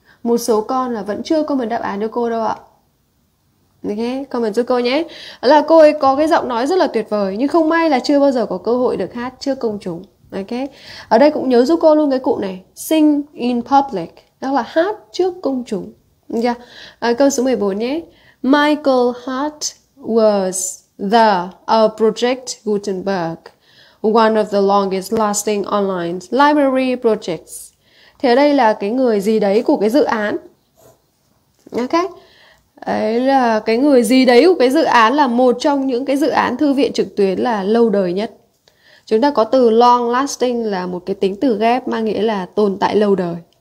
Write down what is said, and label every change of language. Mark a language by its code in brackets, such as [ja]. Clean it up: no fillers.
[vi] Một số con là vẫn chưa comment đáp án cho cô đâu ạ. Ok, comment giúp cô nhé. Là cô ấy có cái giọng nói rất là tuyệt vời, nhưng không may là chưa bao giờ có cơ hội được hát trước công chúng. Ok, ở đây cũng nhớ giúp cô luôn cái cụm này. [en] Sing in public, [vi] đó là hát trước công chúng. Yeah. Câu số 14 nhé. [en] Michael Hart was the a Project Gutenberg, one of the longest lasting online library projects. [vi] Thì ở đây là cái người gì đấy của cái dự án. Ok. Đấy là cái người gì đấy của cái dự án là một trong những cái dự án thư viện trực tuyến là lâu đời nhất. Chúng ta có từ long lasting là một cái tính từ ghép mang nghĩa là tồn tại lâu đời.